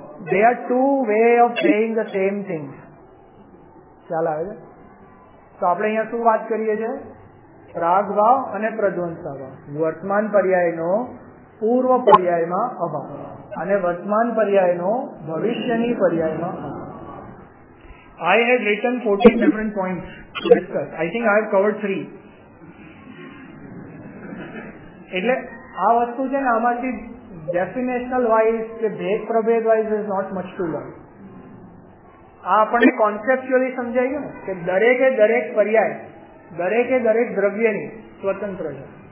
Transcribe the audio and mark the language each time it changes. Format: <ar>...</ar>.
<en>They are two way of saying the same thing.</en> <gu>ખ્યાલ આવે છે? તો આપણે અહીંયા શું વાત કરીએ છીએ? રાગ ભાવ અને પ્રધ્વંસ ભાવ, વર્તમાન પર્યાયનો પૂર્વ પર્યાયમાં અભાવ અને વર્તમાન પર્યાયનો ભવિષ્યની પર્યાયમાં અભાવ.</gu> <en>I have written 14 different points to discuss. I think I have covered 3.</en> <gu>એટલે આ વસ્તુ છે ને, આમાંથી ડેફિનેશનલ વાઇઝ કે ભેદ પ્રભેદ wise</gu> <en>Is not much to learn.</en> <gu>આ આપણને કોન્સેપ્ચ્યુઅલી સમજાઈ ગયું કે દરેકે દરેક પર્યાય દરેકે દરેક દ્રવ્યની સ્વતંત્ર છે.</gu>